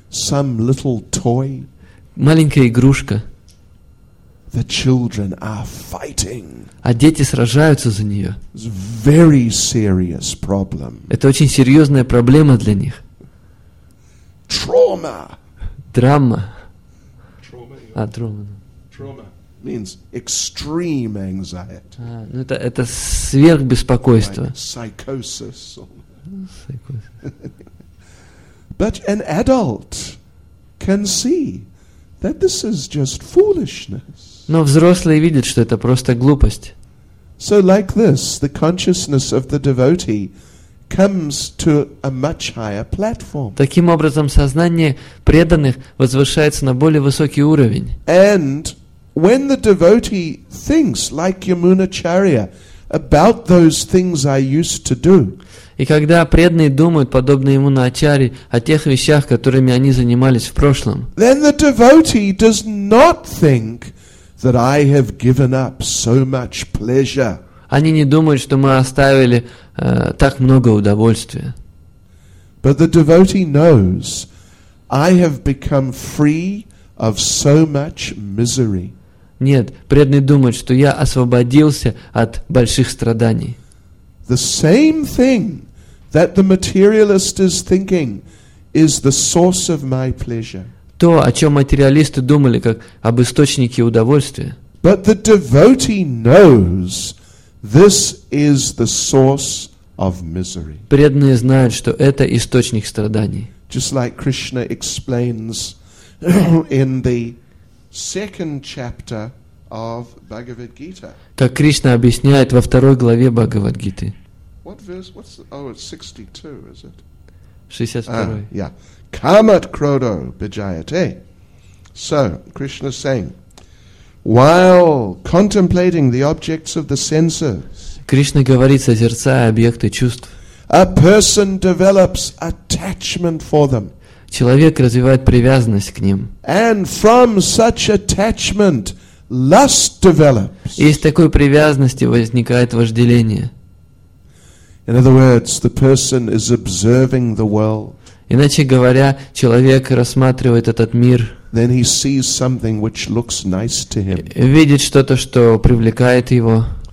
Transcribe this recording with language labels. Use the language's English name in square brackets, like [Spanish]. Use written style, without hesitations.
[English] Some little toy. [Russian] Маленькая игрушка. [English] The children are fighting. [Russian] А дети сражаются за нее. [English] It's very serious problem. [Russian] Это очень серьезная проблема для них. [English] Trauma. [Russian] Драма. [English] Trauma. Trauma means extreme anxiety. [Russian] Ну это сверхбеспокойство. [English] Like psychosis. But an adult can see that this is just foolishness. [Russian] Но взрослые видят, что это просто глупость. [English] So like this, the consciousness of the devotee comes to a much higher platform. [Russian] Таким образом, сознание преданных возвышается на более высокий уровень. [English] And when the devotee thinks like Yamunacharya about those things I used to do. [Russian] И когда преданные думают, подобно ему на Ачарье, о тех вещах, которыми они занимались в прошлом. [English] Then the devotee does not think that I have given up so much pleasure. [Russian] Они не думают, что мы оставили так много удовольствия. [English] But the devotee knows I have become free of so much misery. [Russian] Нет, преданный думает, что я освободился от больших страданий. [English] The same thing that the materialist is thinking is the source of my pleasure. [Russian] То, о чем материалисты думали, как об источнике удовольствия. [English] But the devotee knows this is the source of misery. [Russian] Преданные знают, что это источник страданий. [English] Just like Krishna explains in the second chapter of Bhagavad Gita. [Russian] Как Кришна объясняет во второй главе Бхагавад Гиты. [English] What verse? What's the, oh, it's 62, is it? 62. [Sanskrit] Yeah. Kamat krodo bijayate. [English] So, Krishna's saying, while contemplating the objects of the senses, [Russian] Кришна говорит, созерцая объекты чувств, [English] a person develops attachment for them. [Russian] Человек развивает привязанность к ним. [English] And from such attachment, lust develops. [Russian] И из такой привязанности возникает вожделение. [English] In other words, the person is observing the world. [Russian] Иначе говоря, человек рассматривает этот мир. [English] Then he sees something which looks nice to him. [Russian] Видит что-то, что привлекает его.